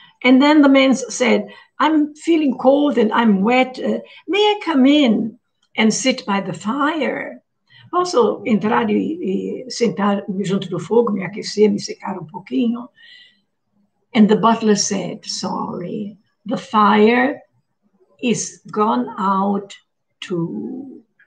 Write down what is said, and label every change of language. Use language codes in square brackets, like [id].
[en] And then the man said, I'm feeling cold and I'm wet. May I come in and sit by the fire? [pt] Posso entrar e sentar junto do fogo, me aquecer, me secar um pouquinho? [en] And the butler said, sorry, the fire is gone out too.